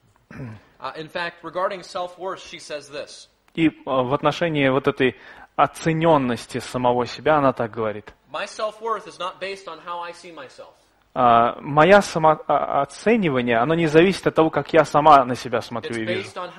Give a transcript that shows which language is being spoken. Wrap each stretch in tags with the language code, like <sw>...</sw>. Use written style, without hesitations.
<en>In fact, regarding self-worth, she says this.</en> <ru>И в отношении вот этой оцененности самого себя она так говорит.</ru> <en>My self-worth is not based on how I see myself.</en> <ru>Моя самооценивание, оно не зависит от того, как я сама на себя смотрю и вижу.</ru>